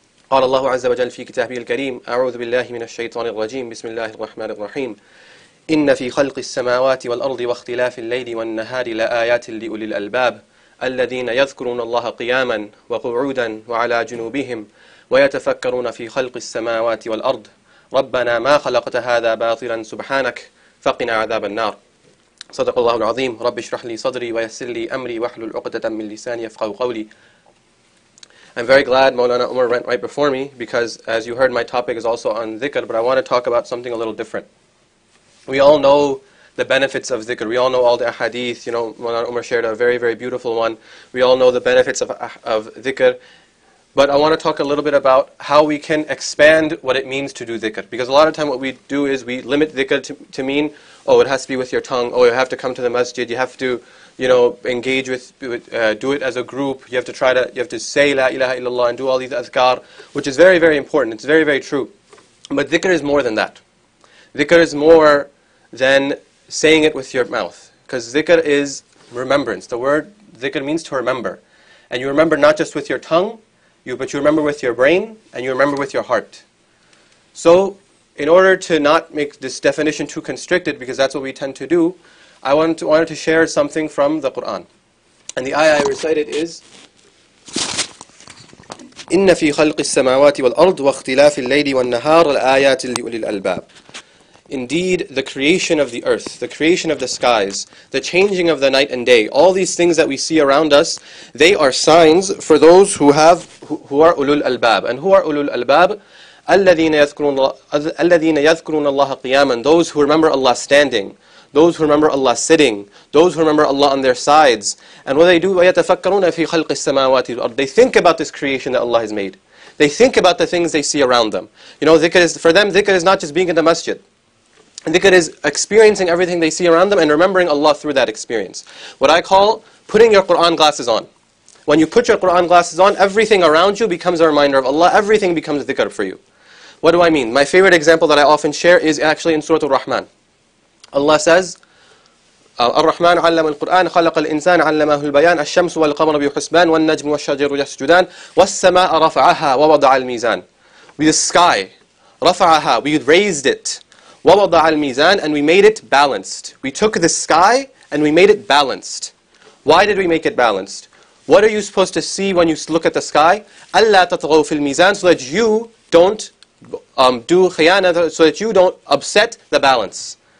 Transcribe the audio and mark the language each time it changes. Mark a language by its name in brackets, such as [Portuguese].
[Arabic] قال الله عز وجل في كتابه الكريم أعوذ بالله من الشيطان الرجيم بسم الله الرحمن الرحيم إن في خلق السماوات والأرض واختلاف الليل والنهار لآيات لأولي الألباب الذين يذكرون الله قياما وقعودا وعلى جنوبهم ويتفكرون في خلق السماوات والأرض ربنا ما خلقت هذا باطلا سبحانك فقنا عذاب النار صدق الله العظيم رب اشرح لي صدري ويسر لي أمري واحلل عقدة من لساني يفقهوا قولي. [English] I'm very glad Maulana Umar went right before me because, as you heard, my topic is also on Zikr, but I want to talk about something a little different. We all know the benefits of Zikr. We all know all the ahadith. You know, Maulana Umar shared a very, very beautiful one. We all know the benefits of Zikr. But I want to talk a little bit about how we can expand what it means to do Zikr. Because a lot of time what we do is we limit Zikr to mean, oh, it has to be with your tongue. Oh, you have to come to the masjid. You have to, you know, engage with do it as a group. You have to try to, you have to say La ilaha illallah and do all these azkar, which is very, very important. It's very, very true. But Zikr is more than that. Zikr is more than saying it with your mouth. Because Zikr is remembrance. The word Zikr means to remember. And you remember not just with your tongue, but you remember with your brain and you remember with your heart. So, in order to not make this definition too constricted, because that's what we tend to do, I wanted to share something from the Quran. And the ayah I recited is [Arabic] إِنَّ فِي خَلْقِ السَّمَاوَاتِ وَالْأَرْضِ وَاخْتِلَافِ اللَّيْلِ وَالنَّهَارِ الْآيَاتِ لِأُولِي الْأَلْبَابِ. [English] Indeed, the creation of the earth, the creation of the skies, the changing of the night and day, all these things that we see around us, they are signs for those who are ulul albab. And who are ulul albab? [Arabic] الَّذِينَ يَذْكُرُونَ اللَّهَ قِيَامًا. [English] Those who remember Allah standing, those who remember Allah sitting, those who remember Allah on their sides. And what they do, [Arabic] وَيَتَفَكَّرُونَ فِي خَلْقِ السَّمَاوَاتِ الْأَرْضِ. [English] They think about this creation that Allah has made. They think about the things they see around them. You know, dhikr is, for them, dhikr is not just being in the masjid. Dhikr is experiencing everything they see around them and remembering Allah through that experience. What I call putting your Quran glasses on. When you put your Quran glasses on, everything around you becomes a reminder of Allah. Everything becomes dhikr for you. What do I mean? My favorite example that I often share is actually in Surah Al-Rahman. Allah says, [Arabic] الرحمن علم القرآن خلق الإنسان علمه البيان الشمس والقمر بحسبان والنجم والشجر يسجدان والسماء رفعها ووضع الميزان. [English] With the sky, رفعها, we raised it. [Arabic] وَوَضَعَ الْمِيزَانِ, [English] and we made it balanced. We took the sky and we made it balanced. Why did we make it balanced? What are you supposed to see when you look at the sky? [Arabic] أَلَّا تَطْغَوْ فِي الْمِيزَانِ, [English] so that you don't do خِيَانَةً, so that you don't upset the balance.